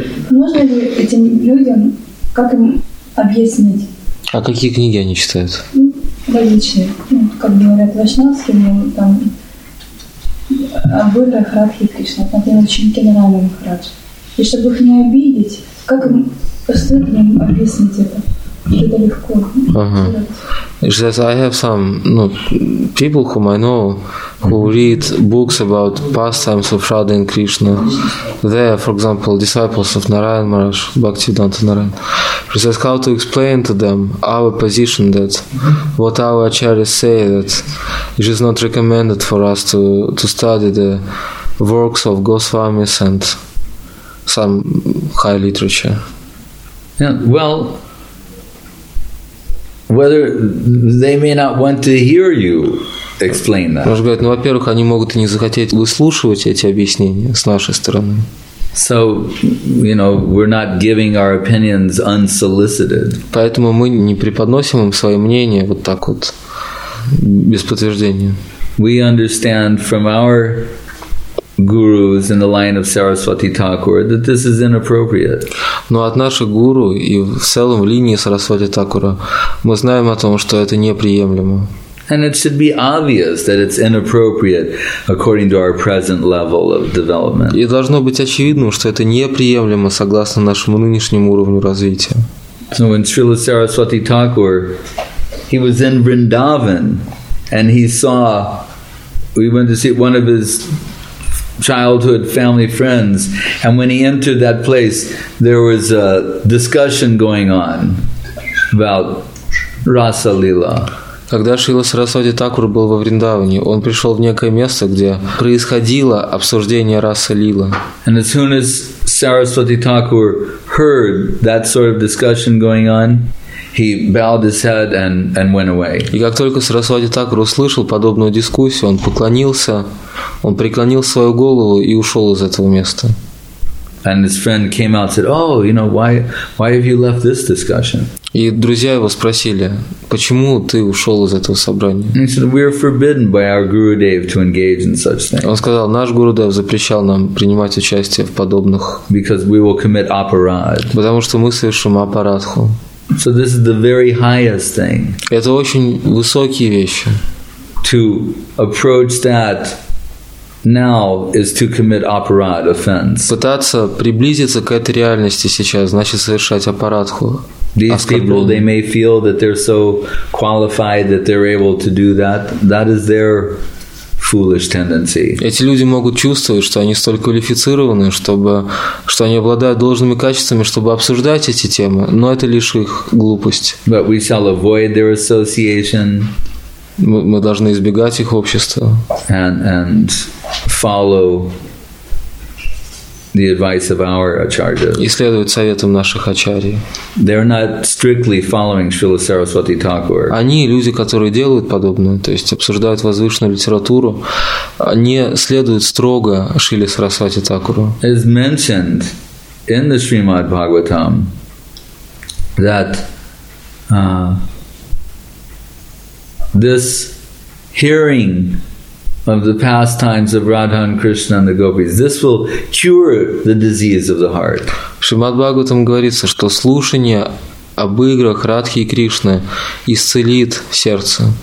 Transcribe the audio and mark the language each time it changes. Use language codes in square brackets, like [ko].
[ru] Можно ли этим людям как им объяснить? А какие книги они читают? Различные. Как говорят, вайшнавские, но там выборах Радхи Кришна, там они очень генеральный Махарадж. И чтобы их не обидеть, как им стоит объяснить это? [en] She says, I have some people whom I know who read books about pastimes of Radha and Krishna. They are, for example, disciples of Narayan Maharaj, Bhaktivedanta Narayan. She says, how to explain to them our position, that what our acharyas say, that it is not recommended for us to study the works of Goswamis and some high literature. Yeah, well, whether they may not want to hear you explain that. [ru] Может быть, во-первых, они могут и не захотеть выслушивать эти объяснения с нашей стороны. [en] So, we're not giving our opinions unsolicited. [ru] Поэтому мы не преподносим им свои мнения вот так вот без подтверждения. [en] We understand from our gurus in the line of Saraswati Thakur that this is inappropriate. [ru] Но от наших гуру и в целом в линии Сарасвати Такура мы знаем о том, что это неприемлемо. [en] And it should be obvious that it's inappropriate according to our present level of development. [ru] И должно быть очевидным, что это неприемлемо согласно нашему нынешнему уровню развития. [en] So when Srila Saraswati Thakur, he was in Vrindavan, and he saw, we went to see one of his childhood family friends, and when he entered that place, there was a discussion going on about Rasa Lila. [ru] Когда Шрила Сарасвати Такур был во Вриндаване, он пришел в некое место, где происходило обсуждение Раса Лила. [en] And as soon as Saraswati Thakur heard that sort of discussion going on, he bowed his head and went away. [ru] И как только Сарасвати Такур услышал подобную дискуссию, он поклонился, он преклонил свою голову и ушел из этого места. [en] And his friend came out and said, "Oh, you know, why have you left this discussion?" [ru] И друзья его спросили, почему ты ушел из этого собрания? Он сказал, наш Гурудев запрещал нам принимать участие в подобных, потому что мы совершим апарадху. [en] So this is the very highest thing. [ru] Это очень высокие вещи. [en] To approach that now is to commit apparat offense. [ru] Пытаться приблизиться к этой реальности сейчас значит совершать апарадху. [en] These people, they may feel that they're so qualified that they're able to do that. That is their foolish tendency. [ru] Эти люди могут чувствовать, что они столь квалифицированы, чтобы, что они обладают должными качествами, чтобы обсуждать эти темы, но это лишь их глупость. [en] But we shall avoid their association. [ru] Мы должны избегать их общества. [en] And follow the advice of our acharyas. [ru] И следовать советам наших ачарий. [en] They're not strictly following Srila Saraswati Thakur. [ru] Они люди, которые делают подобное, то есть обсуждают возвышенную литературу, не следуют строго Шриле Сарасвати Такуру. [en] As mentioned in the Srimad Bhagavatam, that this hearing of the pastimes of Radha and Krishna and the gopis, this will cure the disease of the heart. [ru] Шримад Бхагаватам говорится, что слушание об играх Радхи и Кришны исцелит сердце.